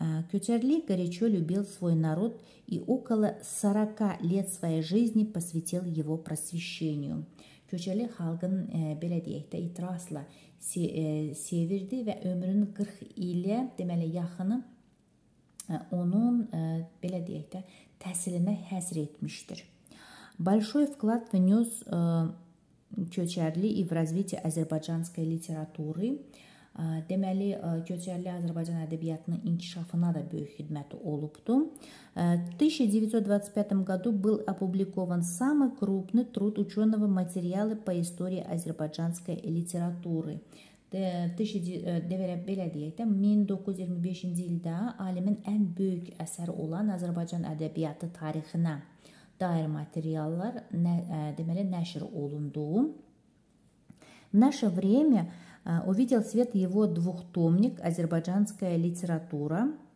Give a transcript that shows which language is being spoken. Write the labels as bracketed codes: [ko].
[ru] Кочерли горячо любил свой народ и около 40 лет своей жизни посвятил его просвещению. [az] Кочерли халгын belə deyək də itirazla sevirdi və ömrünün 40 ilə, deməli, yaxını onun belə deyək də təhsilinə həsr etmişdir. [ru] Большой вклад внёс Кочерли и в развитие азербайджанской литературы. [az] Deməli, Kocerli Azərbaycan ədəbiyyatının inkişafına da böyük xidməti olubdu. [ru] В 1925 году был опубликован самый крупный труд ученого материалы по истории азербайджанской литературы. [az] Belə deyək də, 1925-ci ildə alimin ən böyük əsəri olan Azərbaycan ədəbiyyatı tarixinə dair materiallar deməli, nəşr olundu. [ru] В наше время увидел свет его двухтомник «Азербайджанская литература».